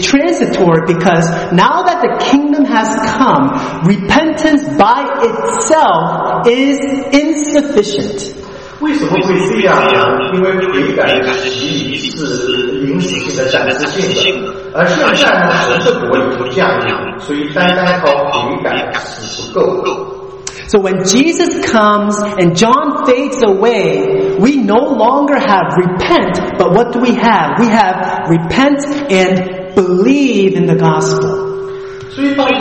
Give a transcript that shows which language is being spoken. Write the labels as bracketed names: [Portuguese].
[English] transitory because now that the kingdom has come, repentance by itself is insufficient. [Chinese] 为什么会这样呢？因为悔改的洗礼是临时性的、暂时性的，而现在呢，神的国已不降临，所以单单靠悔改是不够的。 [English] So when Jesus comes and John fades away, we no longer have repent, but what do we have? We have repent and believe in the gospel.